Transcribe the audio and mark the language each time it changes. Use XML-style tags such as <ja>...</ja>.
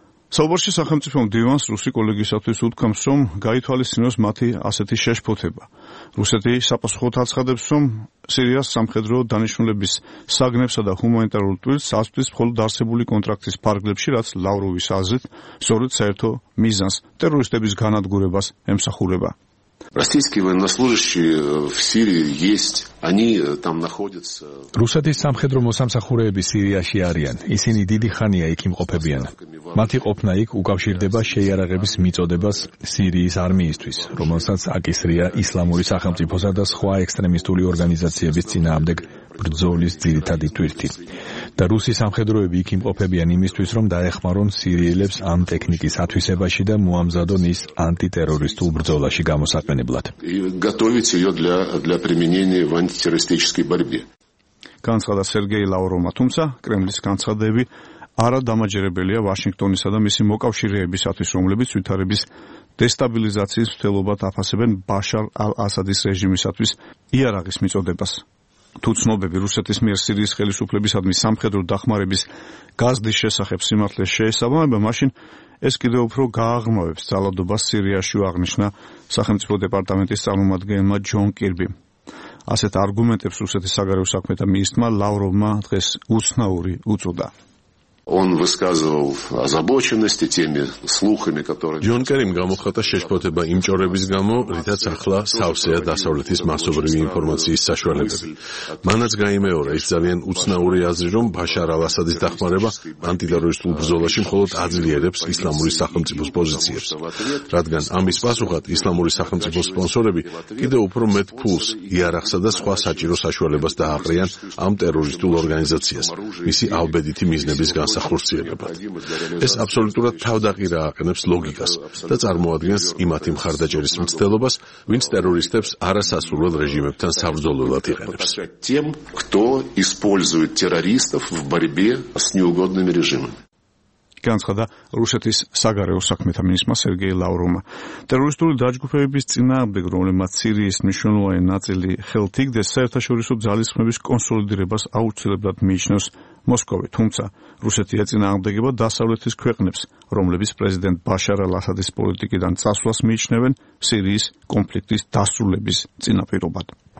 <ka>საუბარში სახელმწიფო მდივანს რუსი კოლეგისათვის უთქვამს, რომ გაითვალისწინოს მათი ასეთი შეშფოთება. რუსეთი საპასუხოდ აცხადებს, რომ სირიას სამხედრო დანიშნულების საგნებსა და ჰუმანიტარულ ტვირთს ასწვის მხოლოდ არსებული კონტრაქტის ფარგლებში, რაც ლავროვის აზრით სწორედ საერთო მიზანს ტერორისტების განადგურებას ემსახურება.</ka> <ru>Российские военнослужащие в Сирии есть. Они там находятся.</ru> <ka>Русатис самхедро мосамсахуреები სირიაში არიან. ისინი დიდი ხანია იქ იმყოფებიან. მათი ყოფნა იქ უკავშირდება შეიარაღების მიწოდებას სირიის არმიისთვის, რომელსაც აკისრია ისლამური სახელმწიფოსა და სხვა ექსტრემისტული ორგანიზაციების წინააღმდეგ ბრძოლის ძირითადი თვირთი. და რუსი სამხედროები იქ იმყოფებიან იმისთვის, რომ დაეხმარონ სირიელებს ამ ტექნიკის ათვისებაში და მოამზადონ ის ანტიტერორისტულ ბრძოლაში გამოსაყენებლად.</ka> <ru>Готовить её для применения в антитеррористической борьбе.</ru> <ka>განცხადა სერგეი ლავროვმა, თუმცა კრემლის განცხადები არა დამაჯერებელია ვაშინგტონისა და მისი მოკავშირეებისათვის, რომლებიც ვითარების დესტაბილიზაციის მცდელობად აფასებენ ბაშარ ალ-ასადის რეჟიმისათვის იარაღის მიწოდებას. თუ ცნობები რუსეთის მიერ სირიის ხელისუფლებისადმი სამხედრო დახმარების გაზრდის შესახებ სიმართლეს შეესაბამება, მაშინ ეს კიდევ უფრო გააღრმავებს ძალადობას სირიაში, აღნიშნა სახელმწიფო დეპარტამენტის წარმომადგენელმა ჯონ კირბი. ასეთ არგუმენტებს რუსეთის საგარეო საქმეთა მინისტრმა ლავროვმა დღეს უცნაური უწოდა.</ka> <ru>Он высказывал озабоченности теми слухами, которые</ru> <ka>Джон Керим გამოხატა შეშფოთება იმ ჭორების გამო, რითაც ახლა სავსეა დასავლეთის მასობრივი ინფორმაციის საშუალებები. მანაც გამოიმეორა ის ძალიან უცნაური აზრი, რომ ბაშარ ალ-ასადის დახმარება ანტიტერორისტულ ბრძოლაში მხოლოდ აძლიერებს ისლამური სახელმწიფოს პოზიციებს, რადგან ამის პასუხად ისლამური სახელმწიფოს სპონსორები კიდევ უფრო მეტ ფულს, იარაღსა და სხვა საჭირო საშუალებას დააყრიან ამ ტერორისტულ ორგანიზაციას. მისი ალბედიტი მიზნები განსახორციელებად. ეს აბსოლუტურად თავდაყირა აყენებს ლოგიკას და წარმოადგენს იმათი მხარდაჭერის მცდელობას, ვინც ტერორისტებს არასასურველ რეჟიმებთან საბრძოლველად იყენებს.</ka> <ru>Тем, кто использует террористов в борьбе с неугодными режимами.</ru> <ka>განცხადა რუსეთის საგარეო საქმეთა მინისტრმა სერგეი ლავროვმა. ტერორისტული დაჯგუფების წინააღმდეგ, რომლებმაც სირიის მნიშვნელოვანი ნაწილი ხელთ იგდეს, საერთაშორისო ძალისხმების კონსოლიდირებას აუცილებლად მიიჩნევს მოსკოვი, თუმცა რუსეთი ეწინააღმდეგება დასავლეთის ქვეყნებს, რომლებიც პრეზიდენტ ბაშარ ალ-ასადის პოლიტიკიდან წასვლას მიიჩნევენ სირიის კონფლიქტის დასრულების წინაპირობად.</ka>